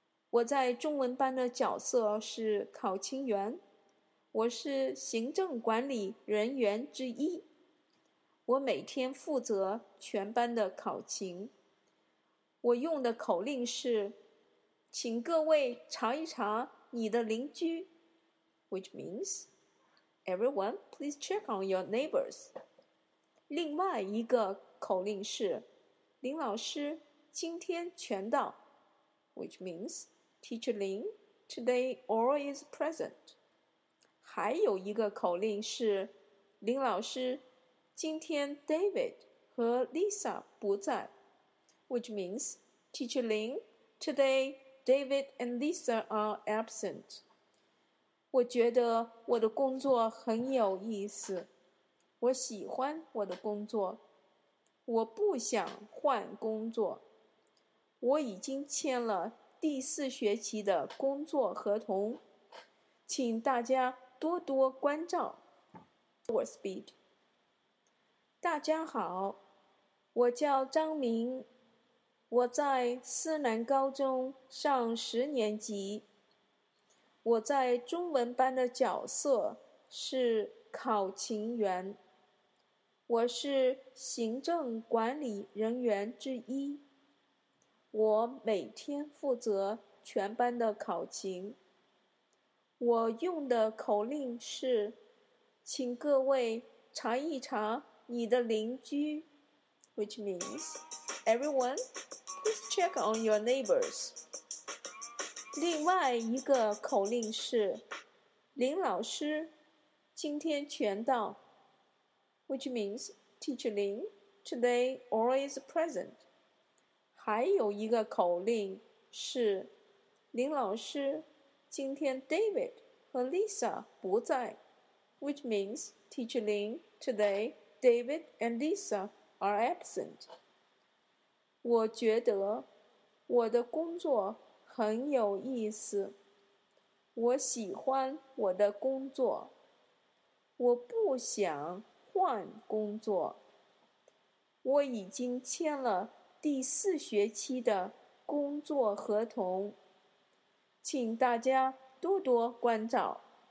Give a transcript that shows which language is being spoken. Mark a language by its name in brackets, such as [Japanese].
[Chinese] 我在中文班的角色是考勤员，我是行政管理人员之一。我每天负责全班的考勤。我用的口令是，请各位查一查你的邻居。 [English] Which means, everyone, please check on your neighbors. [Chinese] 另外一个口令是，林老师今天全到。 [English] Which means, teacher Lin, today all is present. [Chinese] 还有一个口令是，林老师今天 David 和 Lisa 不在。 [English] Which means, teacher Lin, today David and Lisa are absent. [Chinese] 我觉得我的工作很有意思，我喜欢我的工作，我不想换工作，我已经签了第四学期的工作合同，请大家多多关照。 [English] Our speed. [Chinese] 大家好，我叫张明，我在思南高中上十年级。我在中文班的角色是考勤员，我是行政管理人员之一，我每天负责全班的考勤。我用的口令是，请各位查一查你的邻居。 [English] Which means, everyone, please check on your neighbors. [Chinese] 另外一个口令是，林老师今天全到。 [English] Which means, teacher Lin, today all is present. [Chinese] 还有一个口令是，林老师今天 David 和 Lisa 不在。 [English] Which means, teacher Lin, today David and Lisa are absent. [Chinese] 我觉得我的工作很有意思，我喜欢我的工作，我不想换工作，我已经签了第四学期的工作合同，请大家多多关照。